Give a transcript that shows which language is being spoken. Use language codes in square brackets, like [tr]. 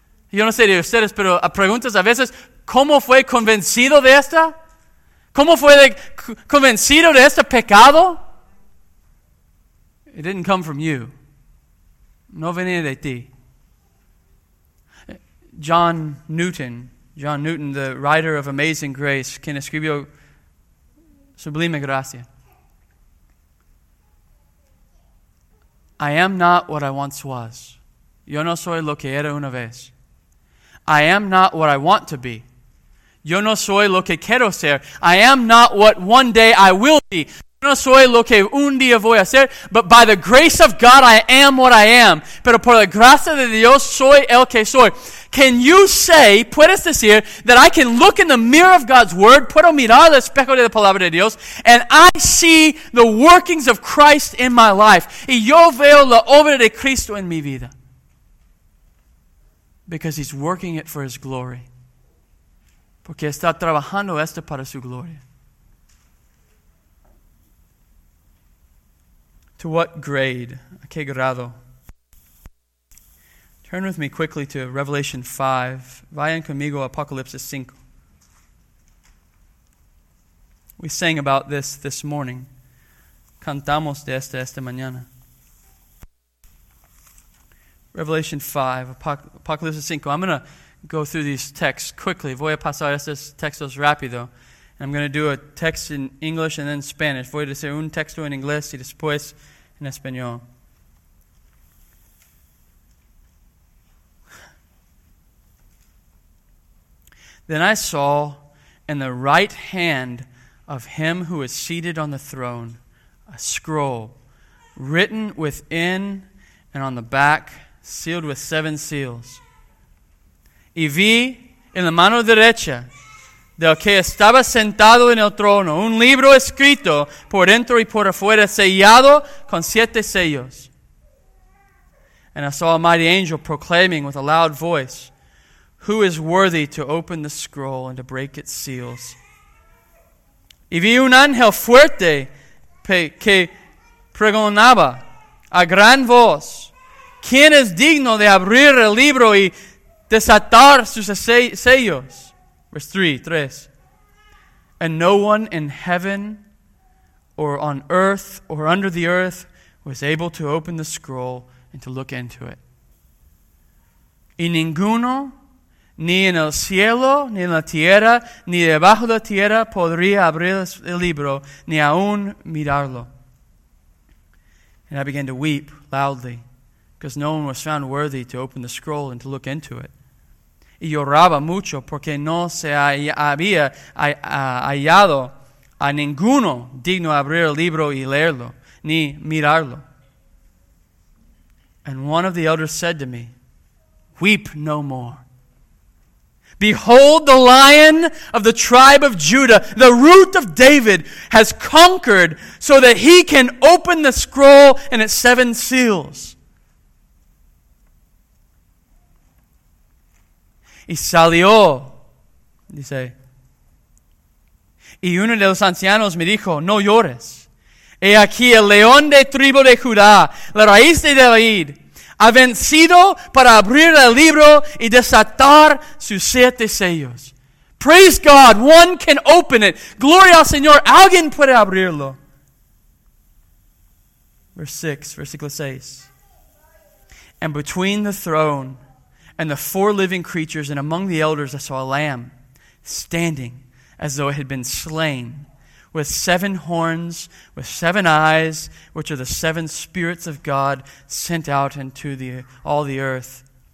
[es] Yo no sé de ustedes, pero preguntas a veces, ¿cómo fue convencido de esta? ¿Cómo fue convencido de este pecado? [en] It didn't come from you. [es] No venía de ti. [en] John Newton, the writer of Amazing Grace, [es] quien escribió Sublime Gracia. [en] I am not what I once was. [es] Yo no soy lo que era una vez. [en] I am not what I want to be. [es] Yo no soy lo que quiero ser. [en] I am not what one day I will be. [es] Yo no soy lo que un día voy a ser. [en] But by the grace of God, I am what I am. [es] Pero por la gracia de Dios, soy el que soy. [en] Can you say, [es] puedes decir, [en] that I can look in the mirror of God's word, [es] puedo mirar el espejo de la palabra de Dios, [en] and I see the workings of Christ in my life. [es] Y yo veo la obra de Cristo en mi vida. [en] Because he's working it for his glory. [es] Porque está trabajando esto para su gloria. [en] To what grade? [es] ¿A qué grado? [en] Turn with me quickly to Revelation 5. [es] Vayan conmigo a Apocalipsis 5. [en] We sang about this morning. [es] Cantamos de esta mañana. [en] Revelation 5, Apocalipsis 5. I'm going to go through these texts quickly. [es] Voy a pasar estos textos rápido. [en] And I'm going to do a text in English and then Spanish. [es] Voy a decir un texto en inglés y después en español. [en] Then I saw in the right hand of him who is seated on the throne a scroll written within and on the back, sealed with seven seals. [es] Y vi en la mano derecha del que estaba sentado en el trono un libro escrito por dentro y por afuera, sellado con siete sellos. [en] And I saw a mighty angel proclaiming with a loud voice, who is worthy to open the scroll and to break its seals? [es] Y vi un ángel fuerte que pregonaba a gran voz, ¿quién es digno de abrir el libro y desatar sus sellos? [en] Verse 3. And no one in heaven or on earth or under the earth was able to open the scroll and to look into it. [es] Y ninguno ni en el cielo, ni en la tierra, ni debajo de la tierra podría abrir el libro, ni aún mirarlo. [en] And I began to weep loudly, because no one was found worthy to open the scroll and to look into it. [es] Y lloraba mucho porque no se había hallado a ninguno digno de abrir el libro y leerlo, ni mirarlo. [en] And one of the elders said to me, "Weep no more. Behold, the Lion of the tribe of Judah, the root of David, has conquered so that he can open the scroll and its seven seals." [es] Y salió, dice, y uno de los ancianos me dijo, "No llores. He aquí el león de tribu de Judá, la raíz de David, ha vencido para abrir el libro y desatar sus siete sellos." [en] Praise God, one can open it. [es] Gloria al Señor, alguien puede abrirlo. Versículo 6. [en] And between the throne and the four living creatures and among the elders, I saw a lamb standing as though it had been slain, with seven horns, with seven eyes, which are the seven spirits of God sent out into all the earth.